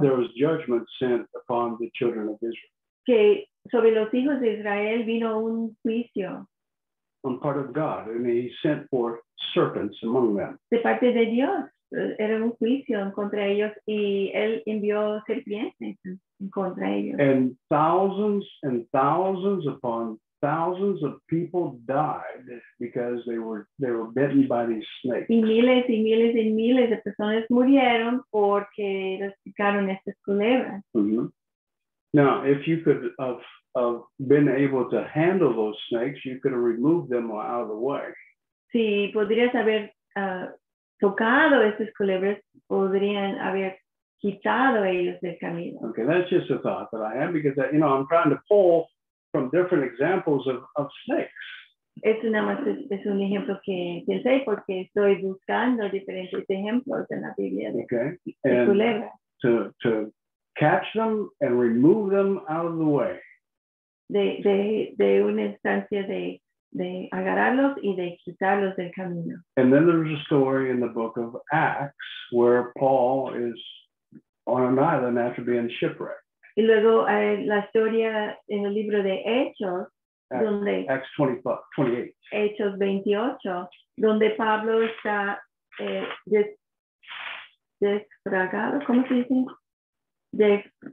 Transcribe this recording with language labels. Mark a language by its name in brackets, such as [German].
[English] There was judgment sent upon the children of Israel. [Spanish] Que sobre los hijos de Israel vino un juicio. [English] On part of God, and he sent forth serpents among them. [Spanish] De parte de Dios, era un juicio en contra ellos, y él envió serpientes en contra ellos. [English] And thousands upon thousands of people died because they were bitten by these snakes. [Spanish] Y miles y miles y miles de personas murieron porque les picaron estas culebras. Mm-hmm. [English] Now, if you could have been able to handle those snakes, you could have removed them out of the way. [Spanish] Si podrías haber tocado estas culebras, podrían haber quitado ellos del camino. [English] Okay, that's just a thought that I have because that, you know, I'm trying to pull from different examples of snakes. [Spanish] Esto nada más es un ejemplo que pensé porque estoy buscando diferentes ejemplos en la Biblia de, [English] okay. [Spanish] De culebras. [English] To catch them and remove them out of the way. [Spanish] De una instancia de agarrarlos y de quitarlos del camino. [English] And then there's a story in the book of Acts where Paul is on an island after being shipwrecked. [Spanish] Y luego hay la historia en el libro de Hechos, [English] Acts 28. [Spanish] Hechos 28, donde Pablo está desfragado, ¿cómo se dice?